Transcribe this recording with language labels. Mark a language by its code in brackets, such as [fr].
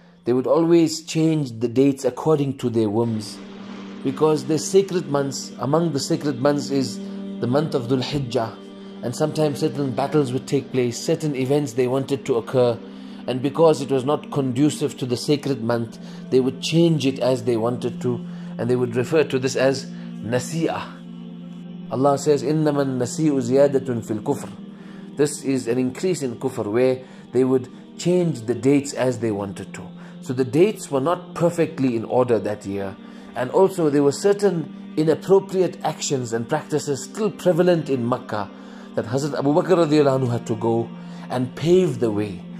[en] They would always change the dates according to their whims, because their sacred months, among the sacred months is the month of Dhul-Hijjah. And sometimes certain battles would take place, certain events they wanted to occur. And because it was not conducive to the sacred month, they would change it as they wanted to. And they would refer to this as Nasi'ah. Allah says, [ar] إِنَّمَا النَّسِيءُ زِيَادَةٌ فِي الْكُفْرِ. [en] This is an increase in kufr, where they would change the dates as they wanted to. So the dates were not perfectly in order that year. And also there were certain inappropriate actions and practices still prevalent in Makkah that Hazrat Abu Bakr radiallahu anhu had to go and pave the way.